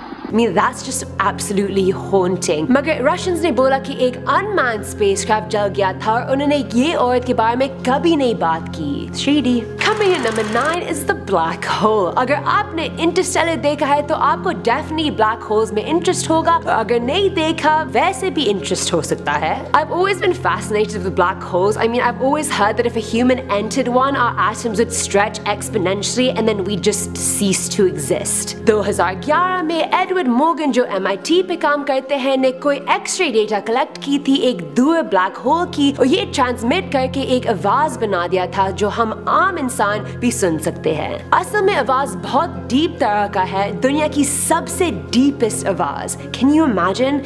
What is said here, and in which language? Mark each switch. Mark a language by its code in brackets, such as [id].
[en] I mean, that's just absolutely haunting. [hi] मगर Russians ने बोला कि एक अनमैन्ड स्पेसक्राफ्ट जल गया था और उन्होंने ये औरत के बारे में कभी नहीं बात की. [en] Shady. Coming in number 9 is the black hole. [hi] अगर आपने इंटरस्टेलर देखा है तो आपको डेफिनेटली ब्लैक होल्स में इंटरेस्ट होगा और अगर नहीं देखा वैसे भी इंटरेस्ट हो सकता है. [en] I've always been fascinated with black holes. I mean, I've always heard that if a human entered one, our atoms would stretch exponentially and then we'd just cease to exist. [hi] 2011 में Edward मोगन जो MIT पे काम करते हैं ने कोई x ray data collect की थी एक दूर ब्लैक होल की और ये ट्रांसमिट करके एक आवाज बना दिया था जो हम आम इंसान भी सुन सकते हैं. असल में आवाज बहुत डीप तरह का है, दुनिया की सबसे डीपेस्ट आवाज. [en] Can you imagine?